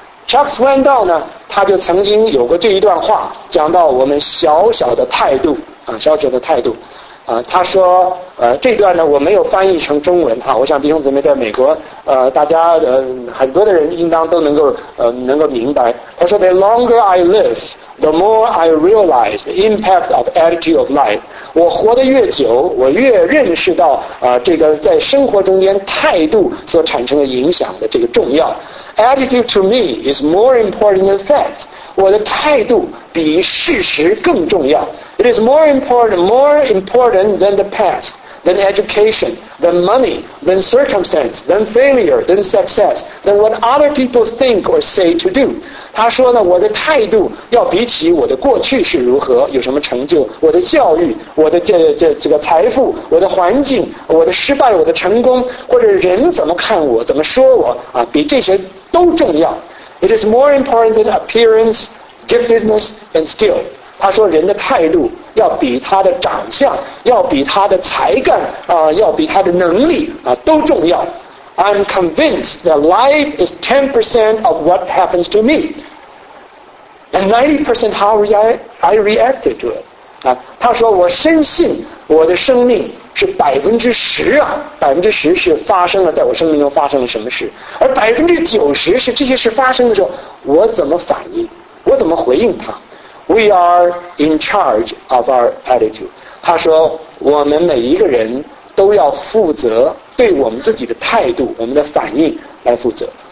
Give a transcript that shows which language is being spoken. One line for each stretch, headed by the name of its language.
Chinese: Chuck Swindoll 呢，他就曾经有过这一段话，讲到我们小小的态度啊，小小的态度啊，他说这段呢我没有翻译成中文啊，我想弟兄姊妹在美国大家很多的人应当都能够明白。他说
English: The longer I live, the more I realize the impact of attitude of life。
Chinese: 我活得越久，我越认识到这个在生活中间态度所产生的影响的这个重要。
English: Attitude to me is more important than fact。
Chinese: 我的态度比事实更重要。
English: It is more important than the past, than education, than money, than circumstance, than failure, than success, than what other people think or say to do。
Chinese: 他说呢，我的态度要比起我的过去是如何，有什么成就，我的教育，我的这个财富，我的环境，我的失败，我的成功，或者人怎么看我，怎么说我啊，比这些都重要。
English: It is more important than appearance, giftedness and skill。
Chinese: 他说人的态度要比他的长相，要比他的才干啊，要比他的能力啊都重要。
English: I'm convinced that life is 10% of what happens to me and 90% how I reacted to it
Chinese: 啊，他说我深信我的生命是10%啊，10%是发生了在我生命中发生了什么事，而90%是这些事发生的时候我怎么反应，我怎么回应他。
English: We are in charge of our attitude，
Chinese: 他说我们每一个人都要负责对我们自己的态度，我们的反应来负责。